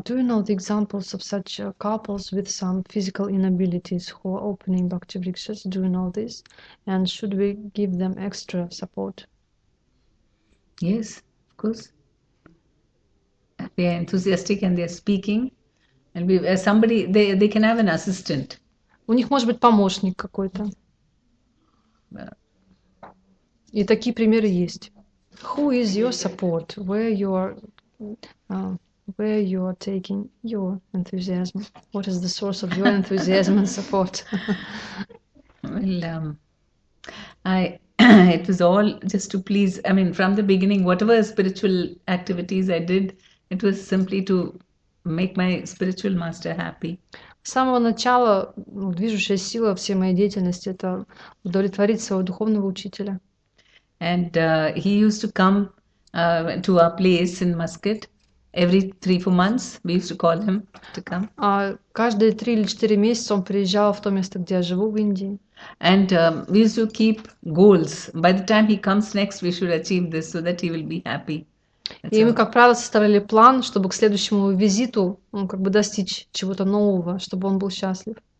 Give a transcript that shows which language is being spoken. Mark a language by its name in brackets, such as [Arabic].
[English] Do you know the examples of such couples with some physical inabilities who are opening Bhakti Vrikshas? Do you know this? And should we give them extra support? Yes, of course. They are enthusiastic and they are speaking. And we, somebody, they can have an assistant. [Russian] У них может быть помощник какой-то. И такие примеры есть. [English] Who is your support? Where you are taking your enthusiasm? What is the source of your enthusiasm and support? Well, it was all just to please. I mean, from the beginning, whatever spiritual activities I did, it was simply to make my spiritual master happy. [Russian] С самого начала движущая сила всей моей деятельности — это удовлетворить своего духовного учителя. [English] And he used to come to our place in Muscat every 3-4 months. We used to call him to come. [Russian] Каждые 3 или 4 месяца он приезжал в то место, где я живу, в Индии. [English] And we used to keep goals. By the time he comes next, we should achieve this so that he will be happy. [Russian] И мы, как правило, составляли план, чтобы к следующему визиту он как бы достичь чего-то нового, чтобы он был счастлив.